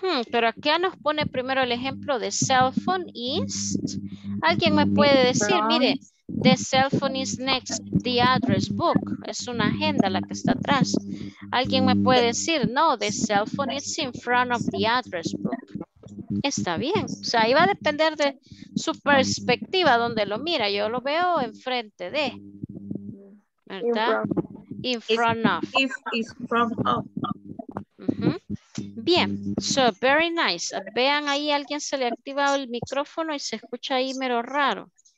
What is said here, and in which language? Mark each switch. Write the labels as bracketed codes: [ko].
[es] Pero acá nos pone primero el ejemplo de [en] cell phone is. [es] ¿Alguien me puede decir? [en] Mire, the cell phone is next the address book. [es] Es una agenda la que está atrás. ¿Alguien me puede decir? [en] No, the cell phone is in front of the address book. [es] Está bien. O sea, ahí va a depender de su perspectiva donde lo mira. Yo lo veo enfrente de. ¿Verdad? [en] In front of. Bien, so very nice. [es] Vean ahí, alguien se le ha activado el micrófono y se escucha ahí mero raro.